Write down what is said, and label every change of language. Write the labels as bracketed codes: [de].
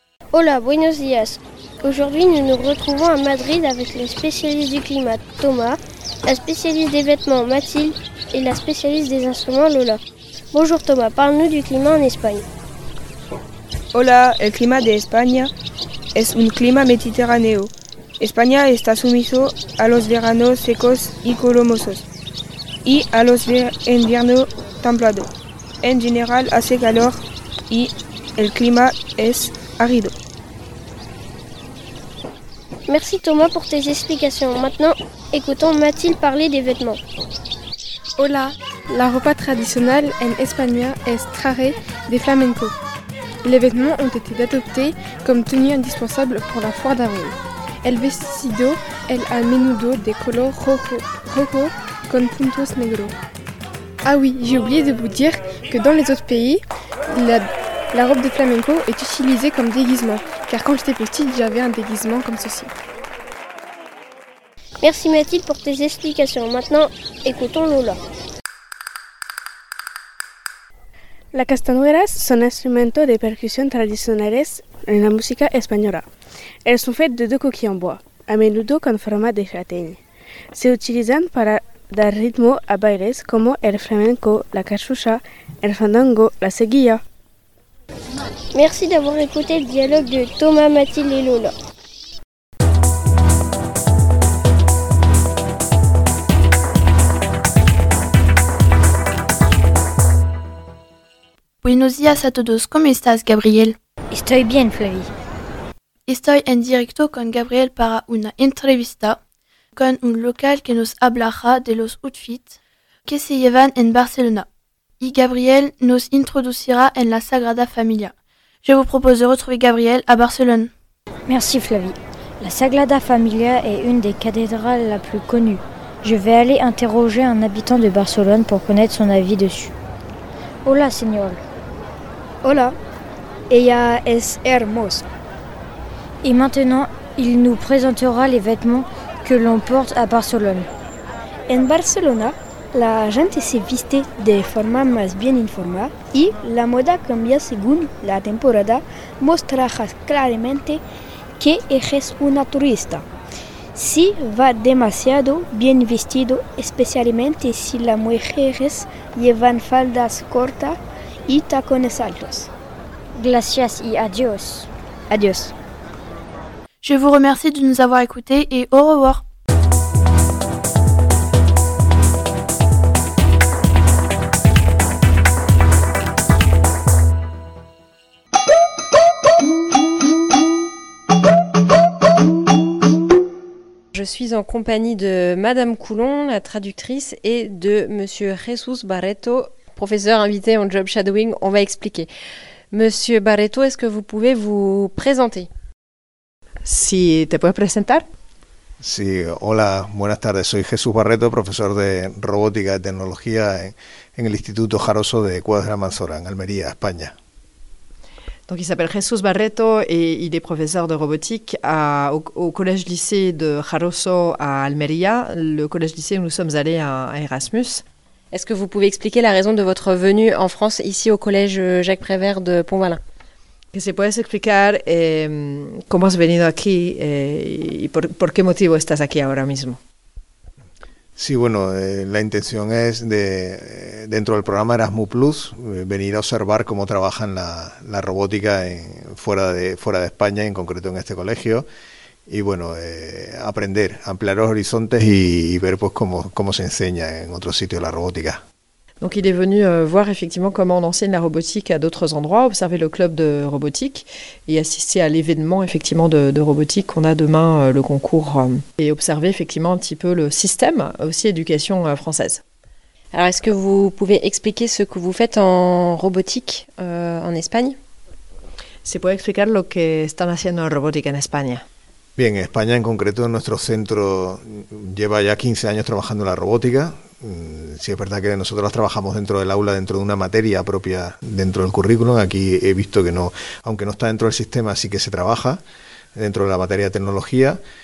[es] Hola, buenos días. [fr] Aujourd'hui, nous nous retrouvons à Madrid avec le spécialiste du climat, Thomas, la spécialiste des vêtements, Mathilde, et la spécialiste des instruments, Lola. Bonjour Thomas, parle-nous du climat en Espagne. [es] Hola, el clima de España es un clima mediterráneo. España está sumiso a los veranos secos y calurosos y a los inviernos templados. En general, hace calor y el clima es árido. [fr] Merci Thomas pour tes explications. Maintenant, écoutons Mathilde parler des vêtements. [es] Hola, la ropa tradicional en España es traje de flamenco. [fr] Les vêtements ont été adoptés comme tenue indispensable pour la foire d'avril. [es] El vestido es a menudo de color rojo con puntos negros. [fr] Ah oui, j'ai oublié de vous dire que dans les autres pays, la robe de flamenco est utilisée comme déguisement, car quand j'étais petite, j'avais un déguisement comme ceci. Merci Mathilde pour tes explications. Maintenant, écoutons Lola. [es] Las castañuelas son instrumentos de percusión tradicionales en la música española. [fr] Elles sont faites de deux coquilles en bois, [es] a menudo con forma de [fr] châtaigne. [es] Se utilizan para dar ritmo a bailes como el flamenco, la cachucha, el fandango, la seguilla. [fr] Merci d'avoir écouté le dialogue de Thomas, Mathilde et Lola. [es] Buenos días a todos. ¿Cómo estás, Gabriel? Estoy bien, Flavie. Estoy en directo con Gabriel para una entrevista con un local que nos hablará de los outfits que se llevan en Barcelona. Y Gabriel nos introducirá en la Sagrada Familia. [fr] Je vous propose de retrouver Gabriel à Barcelone. Merci Flavie. La Sagrada Familia est une des cathédrales la plus connue. Je vais aller interroger un habitant de Barcelone pour connaître son avis dessus. [es] Hola, señor. Hola. Ella es hermosa. [fr] Et maintenant, il nous présentera les vêtements que l'on porte à Barcelone. [es] En Barcelona, la gente se viste de forma más bien informada y la moda cambia según la temporada, mostrajas claramente que eres una turista. Si va demasiado bien vestido, especialmente si las mujeres llevan faldas cortas y tacones altos. Gracias y adiós. Adiós. [fr] Je vous remercie de nous avoir écoutés et au revoir. Je suis en compagnie de Madame Coulon, la traductrice, et de Monsieur Jesús Barreto, professeur invité en job shadowing. On va expliquer. Monsieur Barreto, est-ce que vous pouvez vous présenter? [es] Si, te puedes presentar. Sí, hola, buenas tardes. Soy Jesús Barreto, profesor de robótica y tecnología en el Instituto Jaroso de Cuadra Manzora, en Almería, España. [fr] Donc, il s'appelle Jesús Barreto et il est professeur de robotique au collège-lycée de Jaroso à Almería, le collège-lycée où nous sommes allés à Erasmus. Est-ce que vous pouvez expliquer la raison de votre venue en France, ici au collège Jacques Prévert de Pont-Vallin? [es] Que se puedes explicar cómo has venido aquí y por qué motivo estás aquí ahora mismo. Sí, bueno, la intención es, dentro del programa Erasmus Plus, venir a observar cómo trabajan la robótica fuera de España, en concreto en este colegio, y bueno, aprender, ampliar los horizontes y ver pues cómo se enseña en otro sitio la robótica. [fr] Donc il est venu voir effectivement comment on enseigne la robotique à d'autres endroits, observer le club de robotique et assister à l'événement effectivement de robotique qu'on a demain, le concours, et observer effectivement un petit peu le système aussi éducation française. Alors est-ce que vous pouvez expliquer ce que vous faites en robotique en Espagne? [es] ¿Se puede explicar lo que están haciendo en robótica en España? Bien, en España en concreto, nuestro centro lleva ya 15 años trabajando en la robótica. Sí, es verdad que nosotros las trabajamos dentro del aula, dentro de una materia propia dentro del currículum. Aquí he visto que no, aunque no está dentro del sistema, sí que se trabaja dentro de la materia de tecnología.